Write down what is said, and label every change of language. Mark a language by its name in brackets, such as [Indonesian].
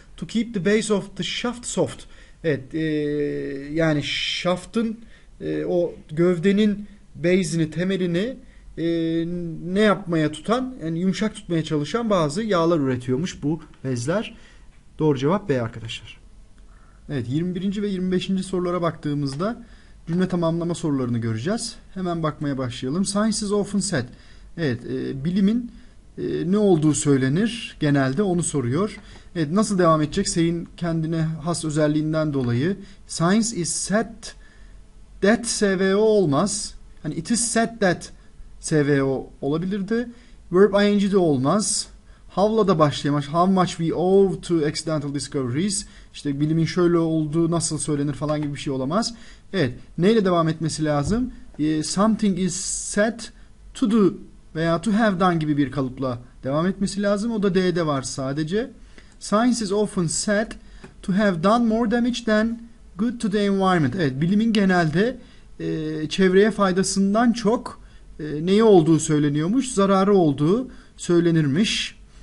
[English] To keep the base of the shaft soft. [Turkish] Evet, yani şaftın, o gövdenin base'ini, temelini ne yapmaya tutan, yani yumuşak tutmaya çalışan bazı yağlar üretiyormuş bu bezler. Doğru cevap B arkadaşlar. Evet, 21. ve 25. sorulara baktığımızda cümle tamamlama sorularını göreceğiz. Hemen bakmaya başlayalım. [English] Science is often said. [Turkish] Evet, bilimin ne olduğu söylenir genelde, onu soruyor. Evet, nasıl devam edecek? Say'in kendine has özelliğinden dolayı. [English] Science is said that SVO olmaz. Hani it is said that SVO olabilirdi. [Turkish] Verb ing de olmaz. How'la da başlayamaz. [English] How much we owe to accidental discoveries. [Turkish] İşte bilimin şöyle olduğu nasıl söylenir falan gibi bir şey olamaz. Evet. Neyle devam etmesi lazım? [English] Something is said to do [Turkish] veya to have done gibi bir kalıpla devam etmesi lazım. O da D'de var sadece. [English] Science is often said to have done more damage than good to the environment. [Turkish] Evet, bilimin genelde çevreye faydasından çok neyi olduğu söyleniyormuş, zararı olduğu söylenirmiş.